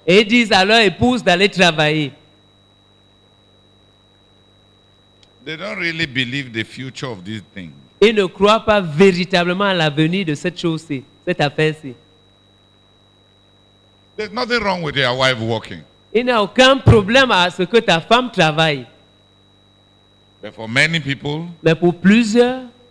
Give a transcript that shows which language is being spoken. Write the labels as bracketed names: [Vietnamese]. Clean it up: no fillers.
[French] Et ils disent à leur épouse d'aller travailler. [English] They don't really believe the future of this thing. [French] Ils ne croient pas véritablement à l'avenir de cette chose-ci, cette affaire-ci. [English] There's nothing wrong with your wife working. [French] Il n'y a aucun problème à ce que ta femme travaille. [English] But for many people, [French] mais pour plusieurs,